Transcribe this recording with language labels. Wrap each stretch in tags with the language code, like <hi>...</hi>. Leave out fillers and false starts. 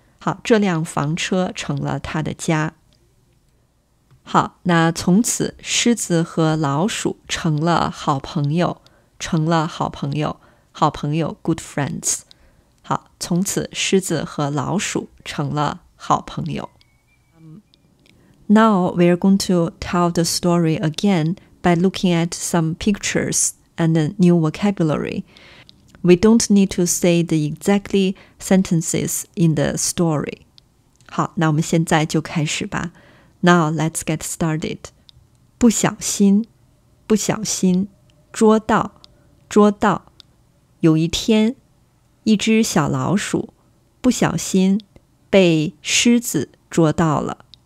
<zh>好，这辆房车成了他的家。好，那从此狮子和老鼠成了好朋友，成了好朋友，好朋友 good friends。好，从此狮子和老鼠成了好朋友。</zh> <en>Now we are going to tell the story again by looking at some pictures and a new vocabulary. We don't need to say the exactly sentences in the story.</en> <zh>好，那我们现在就开始吧。</zh> <en>Now let's get started.</en> <zh>不小心，不小心，捉到，捉到。有一天，一只小老鼠不小心被狮子捉到了。</zh>